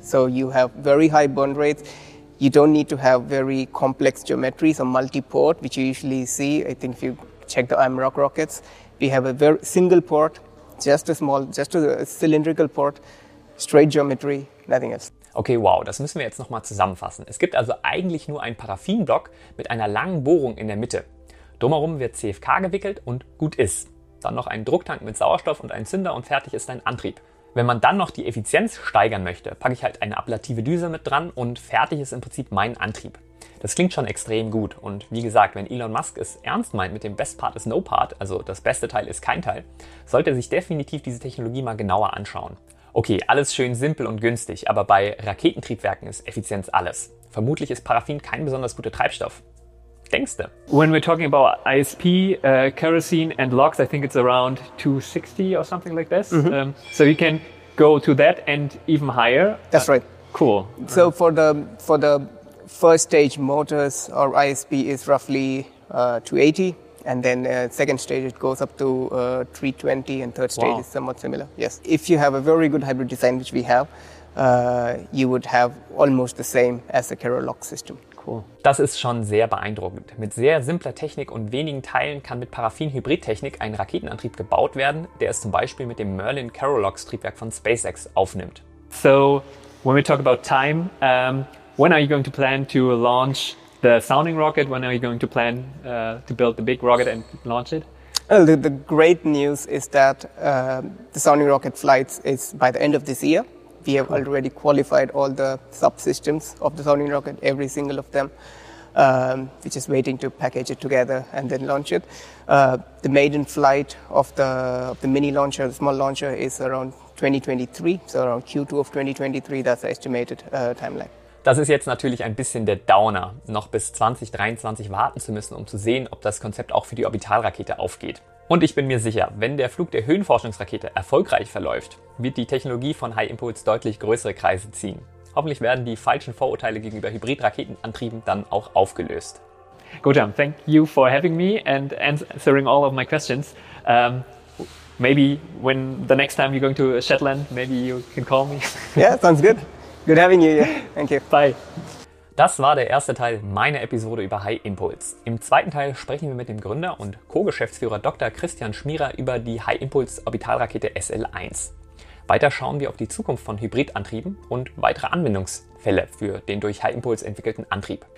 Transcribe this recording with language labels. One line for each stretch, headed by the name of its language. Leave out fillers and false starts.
English: So you have very high burn rates. You don't need to have very complex geometries or multi-port, which you usually see. I think if you check the AMROC rockets, we have a very single port, just a cylindrical port, straight geometry, nothing else.
German: Okay, wow, das müssen wir jetzt nochmal zusammenfassen. Es gibt also eigentlich nur einen Paraffinblock mit einer langen Bohrung in der Mitte. Drumherum wird CFK gewickelt und gut ist. Dann noch ein Drucktank mit Sauerstoff und ein Zünder und fertig ist ein Antrieb. Wenn man dann noch die Effizienz steigern möchte, packe ich halt eine ablative Düse mit dran und fertig ist im Prinzip mein Antrieb. Das klingt schon extrem gut und wie gesagt, wenn Elon Musk es ernst meint mit dem
English: Best Part is No Part,
German: also das beste Teil ist kein Teil, sollte er sich definitiv diese Technologie mal genauer anschauen. Okay, alles schön simpel und günstig, aber bei Raketentriebwerken ist Effizienz alles. Vermutlich ist Paraffin kein besonders guter Treibstoff.
English: When we're talking about ISP, kerosene and LOX, I think it's around 260 or something like this. Mm-hmm. So you can go to that and even higher. That's right. Cool. So for the first stage motors or ISP is roughly 280, and then second stage it goes up to 320, and third stage is somewhat similar. Yes. If you have a very good hybrid design, which we have, you would have almost the same as the Carroll lock system. Cool.
German: Das ist schon sehr beeindruckend. Mit sehr simpler Technik und wenigen Teilen kann mit Paraffin-Hybrid-Technik ein Raketenantrieb gebaut werden, der es zum Beispiel mit dem Merlin Carroll lock Triebwerk von SpaceX aufnimmt.
English: So, when we talk about time, when are you going to plan to launch the sounding rocket? When are you going to plan to build the big rocket and launch it? Well, the great news is that the sounding rocket flights is by the end of this year. We have already qualified all the subsystems of the sounding rocket, every single of them. We're just waiting to package it together and then launch it. The maiden flight of the mini launcher, the small launcher, is around 2023. So around Q2 of 2023, that's the estimated timeline.
German: Das ist jetzt natürlich ein bisschen der Downer, noch bis 2023 warten zu müssen, um zu sehen, ob das Konzept auch für die Orbitalrakete aufgeht. Und ich bin mir sicher, wenn der Flug der Höhenforschungsrakete erfolgreich verläuft, wird die Technologie von High Impulse deutlich größere Kreise ziehen. Hoffentlich werden die falschen Vorurteile gegenüber Hybridraketenantrieben dann auch aufgelöst.
English: Gautam, thank you for having me and answering all of my questions. Maybe when the next time you're going to Shetland, maybe you can call me. Yeah, sounds good. Good having you. Yeah. Thank you. Bye.
German: Das war der erste Teil meiner Episode über High Impulse. Im zweiten Teil sprechen wir mit dem Gründer und Co-Geschäftsführer Dr. Christian Schmierer über die High Impulse Orbitalrakete SL1. Weiter schauen wir auf die Zukunft von Hybridantrieben und weitere Anwendungsfälle für den durch High Impulse entwickelten Antrieb.